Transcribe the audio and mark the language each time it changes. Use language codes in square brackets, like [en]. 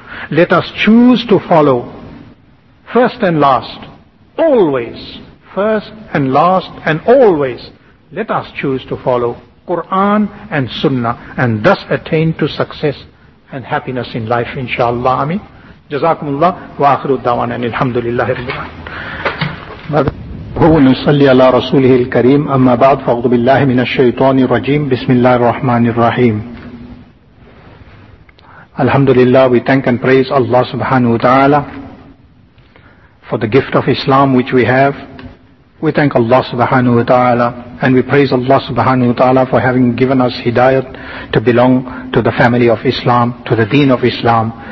[en] Let us choose to follow, first and last, always, first and last and always, let us choose to follow Quran and Sunnah and thus attain to success and happiness in life, inshallah. Ameen. [ar] جزاكم الله وآخر الدعوان أن الحمد لله رب العالمين. هو نصلي على رسوله الكريم أما بعد فأعوذ بالله من الشيطان الرجيم بسم الله الرحمن الرحيم. الحمد لله. [en] We thank and praise Allah subhanahu wa ta'ala for the gift of Islam which we have. We thank Allah subhanahu wa ta'ala and we praise Allah subhanahu wa ta'ala for having given us hidayat to belong to the family of Islam, to the deen of Islam.